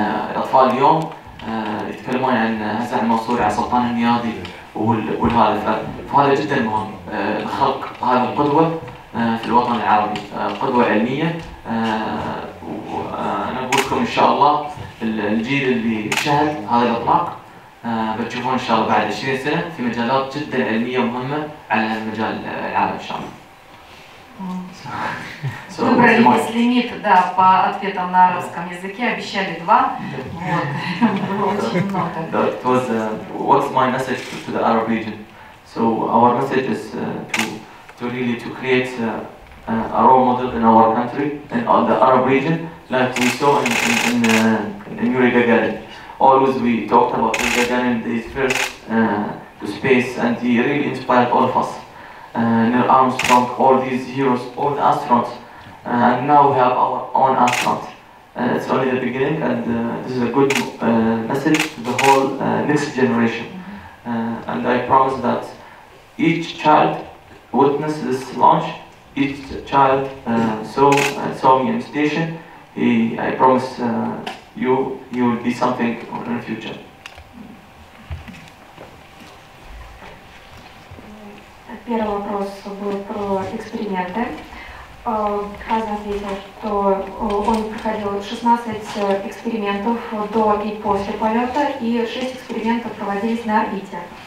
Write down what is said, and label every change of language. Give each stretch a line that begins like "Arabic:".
Arabic: الأطفال اليوم يتكلمون عن هزاع المنصوري على سلطان النيادي والهذا فهذا جدا مهم خلق هذه القدوة في الوطن العربي قدوة علمية وأنا أقول لكم إن شاء الله الجيل اللي شهد هذا الإطلاق بتشوفون إن شاء الله بعد 20 سنة في مجالات جدا علمية مهمة على مجال العالم إن شاء الله
Russian: Выбрали из лимита, да, по ответам на арабском языке, обещали два. Вот, было очень много.
English: That was what's my message to the Arab region. So our message is to really to create a role model in our country and on the Arab region, like we saw in Yuri Gagarin. Always we talked about Yuri Gagarin, his first to space, and he really inspired all of us. Neil Armstrong, all these heroes, all the astronauts, and now we have our own astronaut. It's only the beginning, and this is a good message to the whole next generation. And I promise that each child witnessed this launch, each child saw me in station. I promise you will be something in the future.
Russian: Первый вопрос был про эксперименты. Хазин ответил, что он проходил 16 экспериментов до и после полета, и 6 экспериментов проводились на орбите.